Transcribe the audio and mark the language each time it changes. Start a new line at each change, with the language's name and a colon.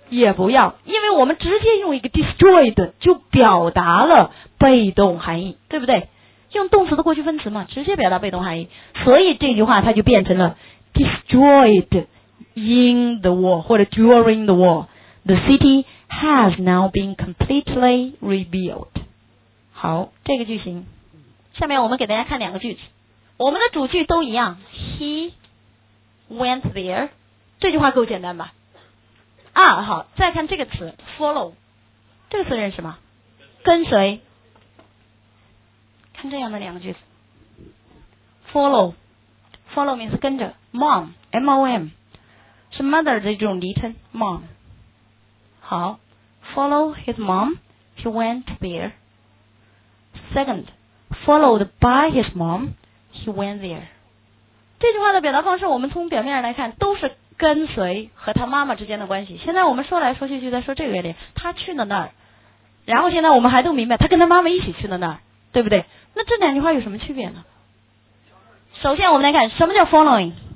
Chinese: 也不要，因为我们直接用一个 destroyed 就表达了被动含义，对不对？用动词的过去分词嘛，直接表达被动含义，所以这句话它就变成了
English: destroyed in the war
Chinese: 或者
English: during the war。 The city has now been completely rebuilt。
Chinese: 好，这个句型下面我们给大家看两个句子，我们的主句都一样，
English: He went there，
Chinese: 这句话够简单吧啊。好，再看这个词 follow， 这个词认识吗？跟随。看这样的两个句子， follow，
English: follow means
Chinese: 跟着， mom， M-O-M 是 mother 的这种昵称， mom。
English: 好， follow his mom, he went there. Second, followed by his mom, he went there.
Chinese: 这句话的表达方式，我们从表面上来看，都是跟随和他妈妈之间的关系。现在我们说来说去就在说这个原理，他去了那儿，然后现在我们还都明白，他跟他妈妈一起去了那儿，对不对？那这两句话有什么区别呢？首先我们来看，什么叫 following？